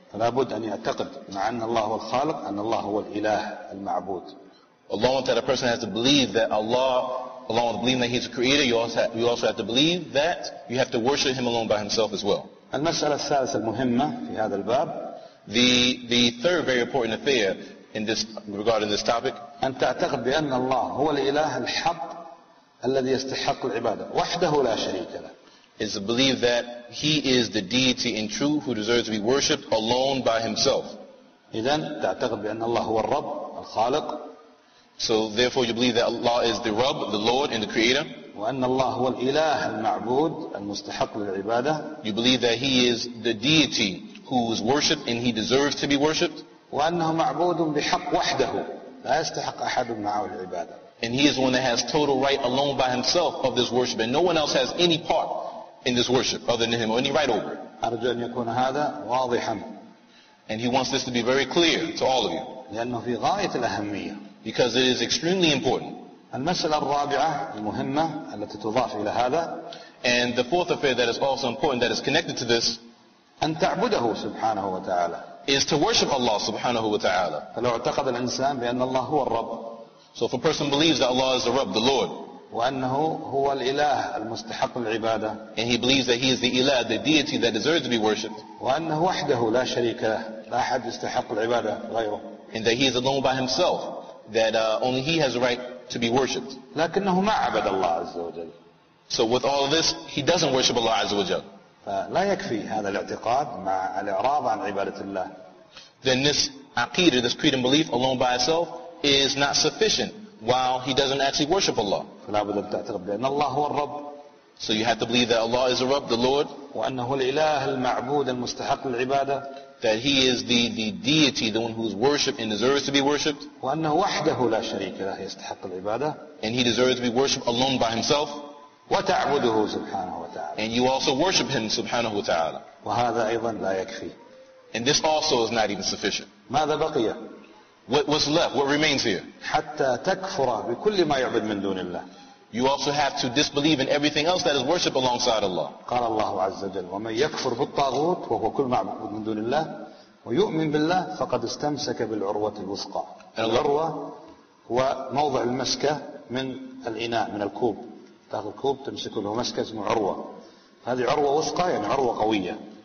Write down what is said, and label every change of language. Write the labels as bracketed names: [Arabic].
[Arabic] فلا بد أن يعتقد مع أن الله هو الخالق أن الله هو الإله المعبود. [English] Along with that a person has to believe that Allah, along with believing that He is the Creator, you also have to believe that you have to worship Him alone by Himself as well. [Arabic] المسألة الثالثة المهمة في هذا الباب. [English] The third very important affair in this regard in this topic. [Arabic] أن تعتقد بأن الله هو الإله الحق الذي يستحق العبادة وحده لا شريك له. [English] Is to believe that He is the deity in truth who deserves to be worshipped alone by Himself. [Arabic] إذن تعتقد بأن الله هو الرب الخالق. [English] So therefore you believe that Allah is the Rabb, the Lord and the Creator. [Arabic] وأن الله هو الإله المعبود المستحق للعبادة. [English] You believe that He is the deity who is worshipped and He deserves to be worshipped. [Arabic] وأنه معبود بحق وحده لا يستحق أحد معه العبادة. [English] And He is the one that has total right alone by Himself of this worship and no one else has any part in this worship other than Him or any right over it. [Arabic] أرجو أن يكون هذا واضحا. [English] And He wants this to be very clear to all of you. [Arabic] لأنه في غاية الأهمية. [English] Because it is extremely important. [Arabic] المسألة الرابعة المهمة التي تضاف إلى هذا. [English] And the fourth affair that is also important that is connected to this. [Arabic] أن تعبده سبحانه وتعالى. [English] Is to worship Allah سبحانه وتعالى. [Arabic] فلو اعتقد الإنسان بأن الله هو الرب. [English] So if a person believes that Allah is the Rabb, the Lord. [Arabic] وأنه هو الإله المستحق للعبادة. [English] And he believes that he is the إله, the deity that deserves to be worshipped. [Arabic] وأنه وحده لا شريك له. لا أحد يستحق العبادة غيره. [English] And that he is alone by himself. That only he has the right to be worshipped. [Arabic] لكنه ما عبد الله عز وجل. [English] So with all of this, he doesn't worship Allah عز وجل. [Arabic] فلا يكفي هذا الاعتقاد مع الإعراض عن عبادة الله. [English] Then this aqidah, this creed and belief alone by itself, is not sufficient while he doesn't actually worship Allah. [Arabic] فلا بد أن تعتقد بأن الله هو الرب. [English] So you have to believe that Allah is the Rabb, the Lord. [Arabic] وأنه الإله المعبود المستحق للعبادة. [English] That he is the deity, the one who is worshipped and deserves to be worshipped. [Arabic] وأنه وحده لا شريك له يستحق العبادة. [English] And he deserves to be worshipped alone by himself. [Arabic] وتعبده سبحانه وتعالى. [English] And you also worship him subhanahu wa ta'ala. [Arabic] وهذا أيضا لا يكفي. [English] And this also is not even sufficient. [Arabic] ماذا بقي؟ [English] What was left? What remains here? [Arabic] حتى تكفر بكل ما يعبد من دون الله. [English] You also have to disbelieve in everything else that is worship alongside Allah. [Arabic] قال الله عز وجل ومن يكفر بالطاغوت وهو كل ما يعبد من دون الله ويؤمن بالله فقد استمسك بالعروة الوثقى. العروة هو موضع المسكة من الإناء من الكوب. تأخذ كوب تمسكه له مسكة اسمه عروة. هذه عروة وثقى يعني عروة قوية.